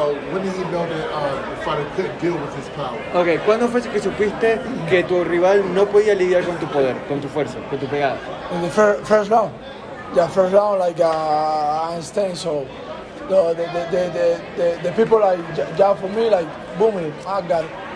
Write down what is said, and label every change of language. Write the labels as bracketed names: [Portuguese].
[English] When did he know that the fighter couldn't deal with his power? [Spanish] Okay, ¿cuándo fue que supiste que tu rival no podía lidiar con tu poder, con tu fuerza, con tu pegada? [English] In the first round. Yeah, first round, like, I understand, so the people, like, yeah, for me, like, booming, I got it.